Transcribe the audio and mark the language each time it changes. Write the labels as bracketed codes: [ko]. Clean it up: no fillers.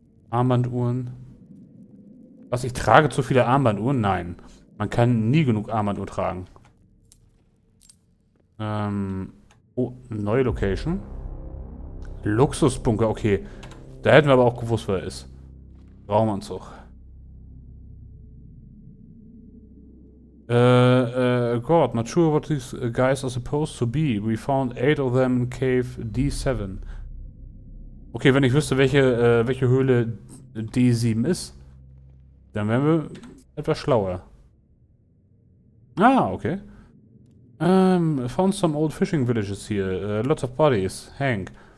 [de] Armbanduhren. Was, ich trage zu viele Armbanduhren? Nein. Man kann nie genug Armbanduhr tragen. Oh, neue Location. Luxusbunker, okay. Da hätten wir aber auch gewusst, wo er ist. Raumanzug. [en] God, not sure what these guys are supposed to be. We found 8 of them in cave D7. [de] Okay, wenn ich wüsste, welche Höhle D7 ist, dann wären wir etwas schlauer. [en] Ah, okay. Found some old fishing villages here. Lots of bodies. Hank.